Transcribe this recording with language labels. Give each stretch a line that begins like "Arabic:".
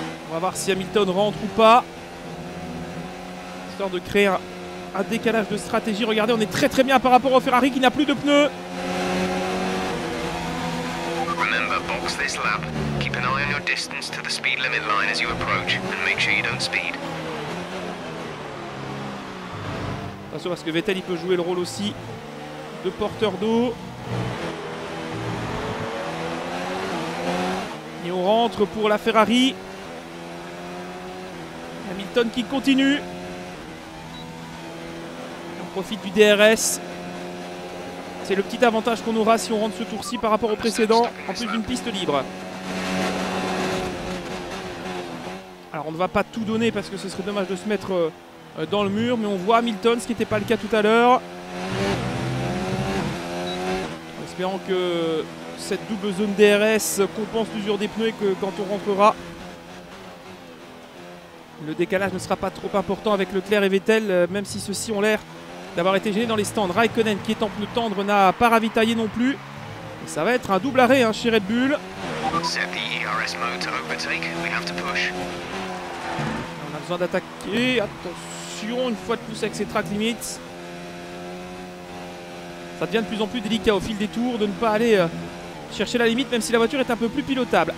French: On va voir si Hamilton rentre ou pas, histoire de créer un décalage de stratégie. Regardez, on est très très bien par rapport au Ferrari qui n'a plus de pneus.
English: Remember, box this lap. Keep an eye on your distance to the speed limit line as you approach and make sure you don't speed.
French: Attention parce que Vettel il peut jouer le rôle aussi de porteur d'eau. Et on rentre pour la Ferrari. Hamilton qui continue. On profite du DRS. C'est le petit avantage qu'on aura si on rentre ce tour-ci par rapport au précédent, en plus d'une piste libre. Alors on ne va pas tout donner parce que ce serait dommage de se mettre dans le mur, mais on voit Hamilton, ce qui n'était pas le cas tout à l'heure. En espérant que cette double zone DRS compense l'usure des pneus et que quand on rentrera, le décalage ne sera pas trop important avec Leclerc et Vettel, même si ceux-ci ont l'air d'avoir été gêné dans les stands. Raikkonen qui est en pneu tendre n'a pas ravitaillé non plus. Et ça va être un double arrêt hein, chez Red Bull.
English: Set the ERS mode to overtake. We have to push.
French: On a besoin d'attaquer. Attention, une fois de plus avec ses track limits. Ça devient de plus en plus délicat au fil des tours de ne pas aller chercher la limite, même si la voiture est un peu plus pilotable.